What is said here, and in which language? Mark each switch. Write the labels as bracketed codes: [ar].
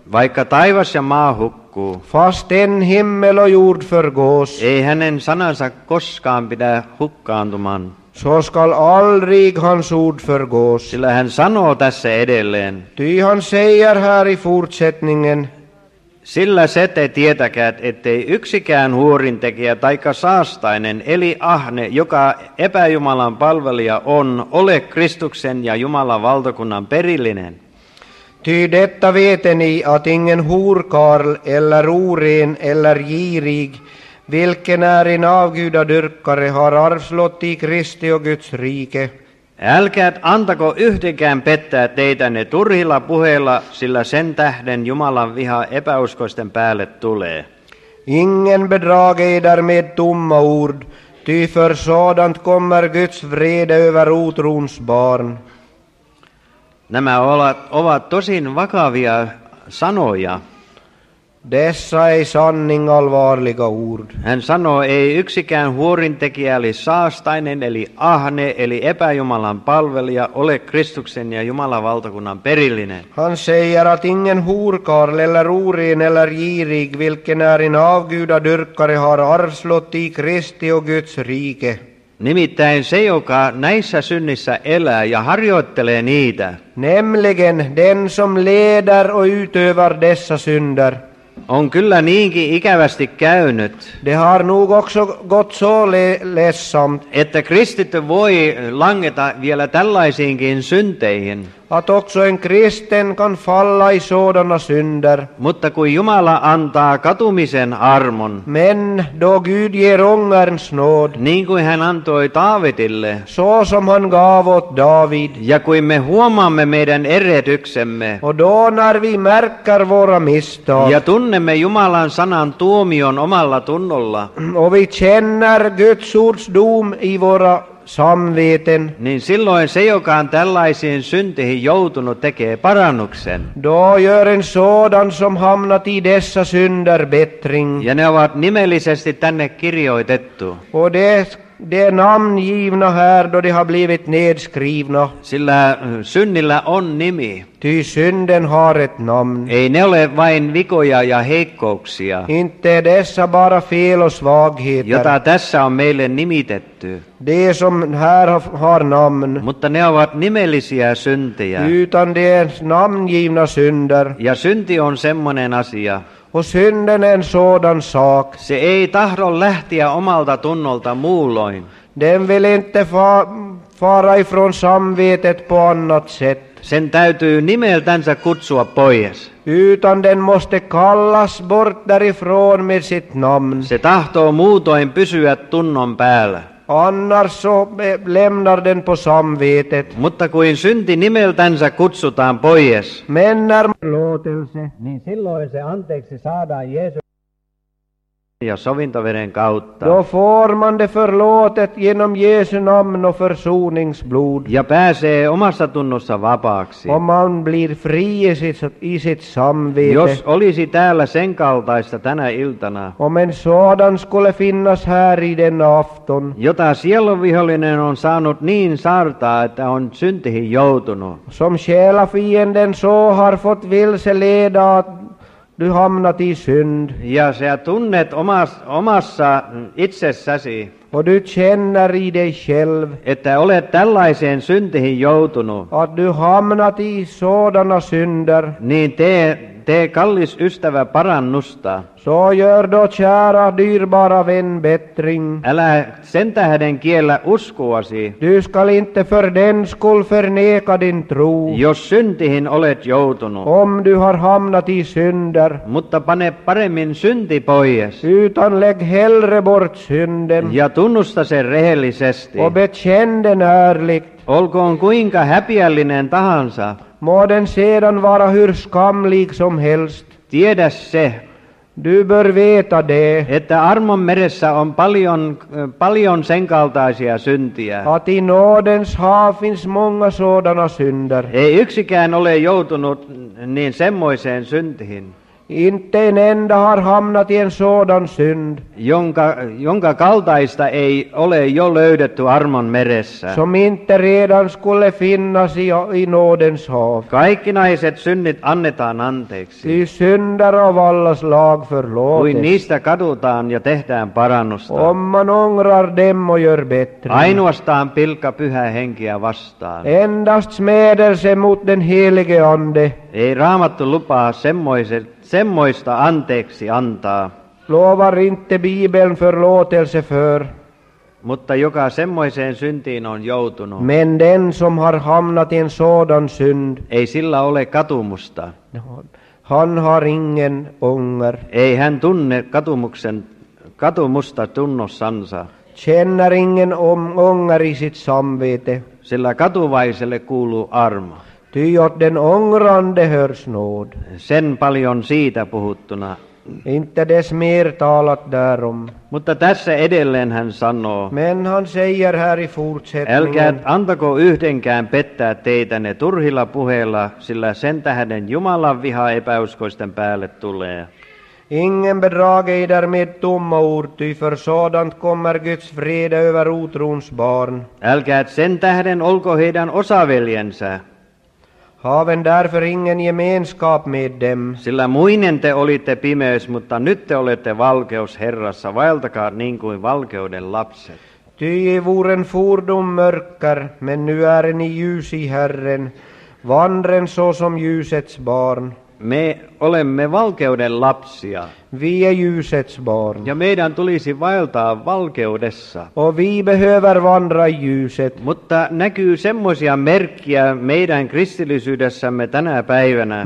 [fi] Vaikka taivas ja maa hukkuu. [sv] Fast en himmel och jord förgås. [fi] Ei hänen sanansa koskaan pidä hukkaantumaan. [sv] Så skall aldrig hans ord förgås. [fi] Sillä hän sanoo tässä edelleen. [sv] Ty han säger här i fortsättningen. [fi] Sillä se te tietäkäät, ettei yksikään huorintekijä taikka saastainen, eli ahne, joka epäjumalan palvelija on, ole Kristuksen ja Jumalan valtakunnan perillinen. [sv] Ty detta veteni, att ingen hurkarl, eller oren, eller girig, vilken är en avgudadyrkare, har arvslott i Kristi och Guds rike. [fi] Älkää antako yhtäkään pettää teitä ne turhilla puheilla, sillä sen tähden Jumalan viha epäuskoisten päälle tulee. [sv] Ingen bedrage där med tumma ord, ty för sådant kommer Guds vrede över utrons barn. [fi] Nämä ovat tosin vakavia sanoja. [sv] Dessa är sanning allvarliga ord. [fi] Hän sanoo, ei yksikään huorintekijä, eli saastainen, eli ahne, eli epäjumalan palvelija, ole Kristuksen ja Jumalan valtakunnan perillinen. [sv] Han säger att ingen hurkarl, eller oren, eller girig, vilken är en avgudadyrkare, har arvslott i Kristi och Guds rike. [fi] Nimittäin se, joka näissä synnissä elää ja harjoittelee niitä. [sv] Nämligen den som leder och utövar dessa synder. [fi] On kyllä niinkin ikävästi käynyt. [sv] Det har nog också gått så ledsamt. [fi] Että kristitty voi langeta vielä tällaisiinkin synteihin. [sv] Att också en kristen kan falla i sådana synder. [fi] Mutta kun Jumala antaa katumisen armon. [sv] Men då Gud ger ångerns nåd. [fi] Niin kuin hän antoi Daavidille. [sv] Så som han gav åt David. [fi] Ja kun me huomaamme meidän erehdyksemme. [sv] Och då när vi märker våra misstag. [fi] Ja tunnemme Jumalan sanan tuomion omalla tunnolla. [sv] Och vi känner Guds ords dom i våra samveten. [fi] Niin silloin se, joka on tällaisiin synteihin joutunut, tekee parannuksen. [sv] Då gör en sådan som hamnat i dessa synder bättring. [fi] Ja ne ovat nimellisesti tänne kirjoitettu. [sv] Och det de är namngivna här då de har blivit nedskrivna. [fi] Sillä synnillä on nimi. [sv] Ty synden har ett namn. [fi] Ei ne ole vain vikoja ja heikkouksia. [sv] Inte dessa bara fel och svagheter. [fi] Jota tässä on meille nimitetty. [sv] De som här har namn. [fi] Mutta ne ovat nimellisiä syntejä. [sv] Utan de är namngivna synder. [fi] Ja synti on semmoinen asia. [sv] Och synden en sådan sak. [fi] Se ei tahdo lähteä omalta tunnolta muulloin. [sv] Den vill inte fara ifrån samvetet på annat sätt. [fi] Sen täytyy nimeltänsä kutsua pois. [sv] Utan den måste kallas bort därifrån med sitt namn. [fi] Se tahtoo muutoin pysyä tunnon päällä. [sv] Annars så lämnar den på samvetet. [fi] Mutta kuin synti nimeltänsä kutsutaan pois. Mennär luotelse, niin silloin se anteeksi saadaan Jeesuksen ja sovintoveren kautta. [sv] Då får man det förlåtet genom Jesu namn och försoningsblod. [fi] Ja pääsee omassa tunnossa vapaaksi. [sv] Om man blir fri i sitt samvete. [fi] Jos olisi täällä sen kaltaista tänä iltana. [sv] Om en sådan skulle finnas här i den afton. [fi] Jota sielunvihollinen on saanut niin sartaa, että on syntihin joutunut. [sv] Som själafienden så har fått vilseleda du hamnat i synd. [fi] Ja sä tunnet omassa itsessäsi. [sv] Och du känner i dig själv. [fi] Että olet tällaiseen syntihin joutunut. [sv] Att du hamnat i sådana synder. [fi] Niin tee kallis ystävä parannusta. [sv] Så gör då kära dyrbara vän bättring. [fi] Älä sen tähden kiellä uskoasi. [sv] Du skall inte för den skull förneka din tro. [fi] Jos syntihin olet joutunut. [sv] Om du har hamnat i synder. [fi] Mutta pane paremmin synti pois. [sv] Utan lägg hellre bort synden. [fi] Ja tunnusta sen rehellisesti. [sv] Och bekänn den ärligt. [fi] Olkoon kuinka häpiällinen tahansa. [sv] Må den sedan vara hur skamlig som helst. [fi] Tiedä se. [sv] Du bör veta det. [fi] Että armon meressä on paljon sen kaltaisia syntiä. [sv] Att i nådens hav finns många sådana synder. [fi] Ei yksikään ole joutunut niin semmoiseen syntihin. [sv] Inte en enda har hamnat i en sådan synd. [fi] Jonka kaltaista ei ole jo löydetty armon meressä. [sv] Som inte redan skulle finnas i nådens hav. [fi] Kaikkinaiset synnit annetaan anteeksi. [sv] I synder av allas lag förlåtes. [fi] Kuin niistä kadutaan ja tehdään parannusta. [sv] Om man ångrar dem och gör bättre. [fi] Ainoastaan pilka pyhä henkiä vastaan. [sv] Endast smedelse mot den helige ande. [fi] Ei Raamattu lupaa semmoista anteeksi antaa. [sv] Lovar inte Bibeln förlåtelse för. [fi] Mutta joka semmoiseen syntiin on joutunut. [sv] Men den som har hamnat i en sådan synd. [fi] Ei sillä ole katumusta. [sv] Han har ingen ånger. [fi] Ei hän tunne katumusta tunnossansa. [sv] Känner ingen ånger i sitt samvete. [fi] Sillä katuvaiselle kuuluu armo. [sv] Ty åt den ångrande hörs nåd. [fi] Sen paljon siitä puhuttuna. [sv] Inte des mer talat därom. [fi] Mutta tässä edelleen hän sanoo. [sv] Men han säger här i fortsättningen. [fi] Älkää antako yhdenkään pettää teitä ne turhilla puheilla, sillä sen tähden Jumalan viha epäuskoisten päälle tulee. [sv] Ingen bedrage i därmed tomma ord, ty för sådant kommer Guds vrede över otrons barn. [fi] Älkää sen tähden olko heidän osaveljensä. [sv] Haven därför ingen gemenskap med dem. [fi] Sillä muinen te olitte pimeys, mutta nyt te olette valkeus Herrassa. Vaeltakaa niin kuin valkeuden lapset. [sv] Ty i voren fordom mörker, men nu är ni ljus i Herren. Vandren så som ljusets barn. [fi] Me olemme valkeuden lapsia. [sv] Vi är ljusets barn. [fi] Ja meidän tulisi vaeltaa valkeudessa. [sv] Och vi behöver vandra i ljuset. [fi] Mutta näkyy semmoisia merkkiä meidän kristillisyydessämme tänä päivänä.